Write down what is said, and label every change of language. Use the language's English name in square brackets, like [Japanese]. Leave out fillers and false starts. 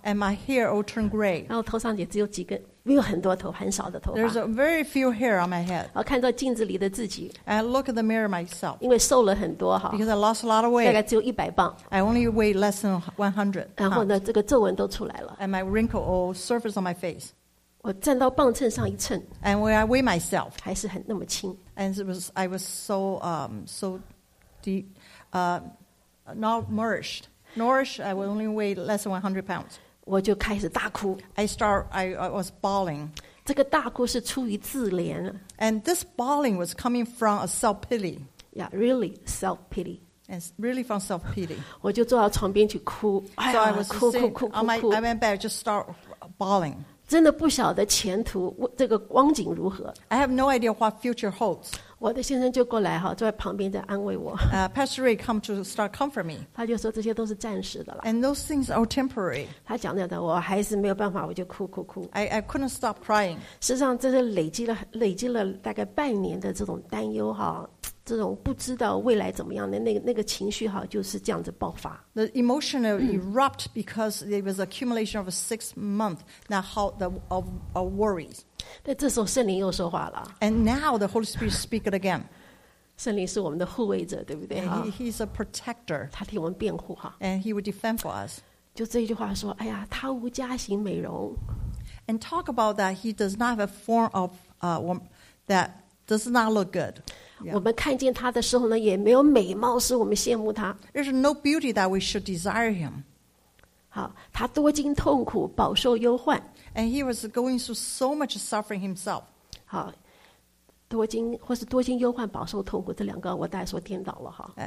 [English] And my hair all turn gray. [Chinese] 然后头上也只有几根。没有很多头，很少的头发。 [English] There's a very few hair on my head. [Chinese] 我看到镜子里的自己。 [English] I look at the mirror myself. [Chinese] 因为瘦了很多哈。 [English] Because I lost a lot of weight. [Chinese] 大概只有100磅。 [English] I only weigh less than 100. [Chinese] 然后呢，这个皱纹都出来了。 [English] And my wrinkle all surface on my face. [Chinese] 我站到磅秤上一称。 [English] And when I weigh myself, [Chinese] 还是很那么轻。 [English] And I was so not nourished. I would only weigh less than 100 pounds. [Chinese] 我就开始大哭。 [English] I was bawling. [Chinese] 这个大哭是出于自怜。 [English] And this bawling was coming from a self pity. Yeah, really self pity. And really from self pity. [Chinese] 我就坐到床边去哭。 [English] So I was sitting on my bed, just start bawling. [Chinese] 真的不晓得前途这个光景如何。 [English] I have no idea what future holds. [Chinese] 我的先生就过来哈，坐在旁边在安慰我。 [English] Pastor Ray come to start comfort me. [Chinese] 他就说这些都是暂时的了。 [English] And those things are temporary. [Chinese] 他讲这样的，我还是没有办法，我就哭哭哭。 [English] I couldn't stop crying. [Chinese] 实际上，这是累积了大概半年的这种担忧哈。这种不知道未来怎么样的那个情绪哈，就是这样子爆发。 [English] The emotion erupt because it was accumulation of 6 months. Now how the worries. [Chinese] 但这时候圣灵又说话了。 [English] And now the Holy Spirit speak it again. [Chinese] 圣灵是我们的护卫者，对不对？ [English] He's a protector. [Chinese] 他替我们辩护哈。 [English] And he would defend for us. [Chinese] 就这一句话说，哎呀，他无家型美容。 [English] And talk about that he does not have a form of that does not look good. Yeah. [Chinese] 我们看见他的时候呢，也没有美貌使我们羡慕他。 [English] There's no beauty that we should desire him. [Chinese] 好，他多经痛苦，饱受忧患。 [English] And he was going through so much suffering himself. [Chinese] 好，多经或是多经忧患，饱受痛苦，这两个我大概说颠倒了哈。